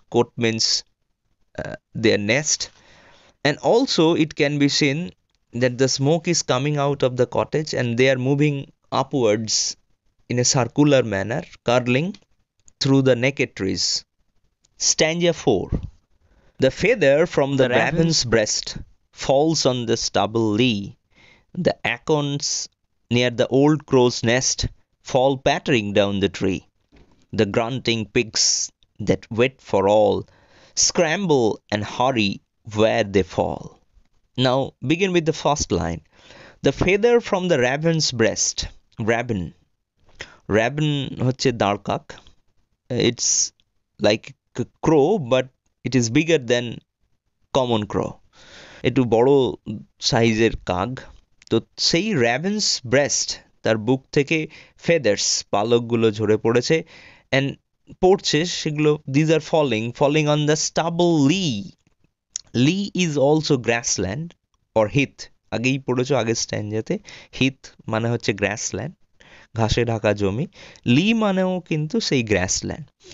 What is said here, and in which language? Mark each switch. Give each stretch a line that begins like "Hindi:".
English: Cote means their nest. And also it can be seen that the smoke is coming out of the cottage, and they are moving upwards in a circular manner, curling through the naked trees. Stanza four. The feather from the raven's breast falls on the stubble lea, the acorns near the old crow's nest fall pattering down the tree. The grunting pigs that wait for all scramble and hurry where they fall. Now begin with the first line. The feather from the raven's breast. Raven. Raven
Bangla: hoche darkak.
English: It's like a crow, but it is bigger than common crow.
Bangla: একটু বড় সাইজের কাক। তো সেই raven's breast তার বুক থেকে feathers পালকগুলো ঝরে পড়েছে অ্যান্ড পড়ছে, সেগুলো
English: These are falling falling on the stubble lea. Lea is also grassland or heath,
Bangla: আগেই পড়েছো আগের স্ট্যানজাতে, হিথ মানে হচ্ছে গ্রাস ল্যান্ড, ঘাসে ঢাকা জমি, লি মানেও কিন্তু সেই গ্রাস ল্যান্ড।